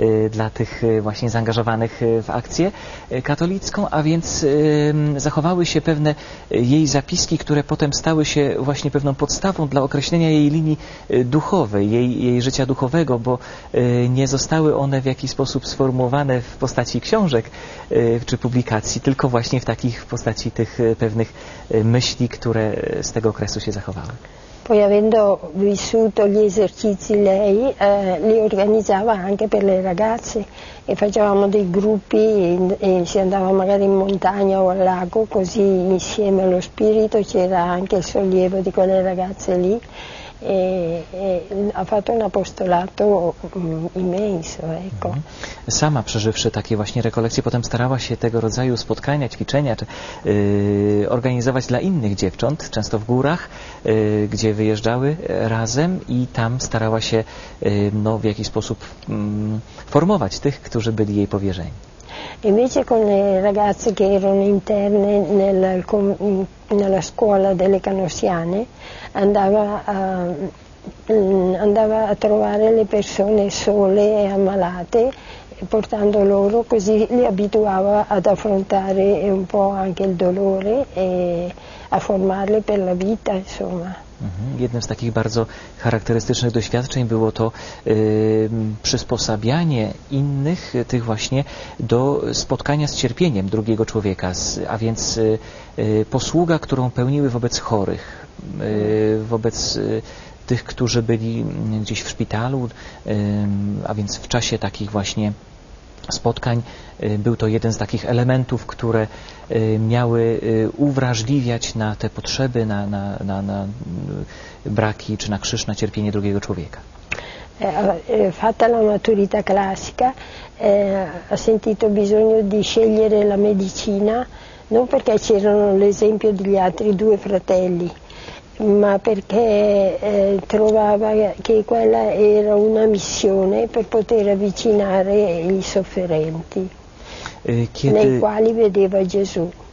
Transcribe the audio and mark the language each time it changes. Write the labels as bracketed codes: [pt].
[pl] dla tych właśnie zaangażowanych w akcję katolicką, a więc zachowały się pewne jej zapiski, które potem stały się właśnie pewną podstawą dla określenia jej linii duchowej, jej życia duchowego, bo nie zostały one w jakiś sposób sformułowane w postaci książek czy publikacji, tylko właśnie w takich postaci tych pewnych myśli, które z tego okresu się zachowały. [it] Poi avendo vissuto gli esercizi lei, li organizzava anche per le ragazze, e facevamo dei gruppi e si andava magari in montagna o al lago, così insieme allo spirito c'era anche il sollievo di quelle ragazze lì, e ha fatto un apostolato immenso, ecco. [pl] Sama przeżywszy takie właśnie rekolekcje, potem starała się tego rodzaju spotkania, ćwiczenia organizować dla innych dziewcząt, często w górach, gdzie wyjeżdżały razem, i tam starała się w jakiś sposób formować tych, którzy byli jej powierzeni. [it] Invece con le ragazze che erano interne nella scuola delle canossiane, andava a trovare le persone sole e ammalate, portando loro, così li abituava ad affrontare un po' anche il dolore e a formarle per la vita, insomma. [pl] Jednym z takich bardzo charakterystycznych doświadczeń było to przysposabianie innych tych właśnie do spotkania z cierpieniem drugiego człowieka, a więc posługa, którą pełniły wobec chorych, wobec tych, którzy byli gdzieś w szpitalu, a więc w czasie takich właśnie spotkań był to jeden z takich elementów, które miały uwrażliwiać na te potrzeby, na braki czy na krzyż, na cierpienie drugiego człowieka. [it] Fatta la maturità classica, ha sentito bisogno di scegliere la medicina, non perché c'erano l'esempio degli altri due fratelli, ma perché trovava che quella era una missione per poter avvicinare i sofferenti, nei quali vedeva Gesù.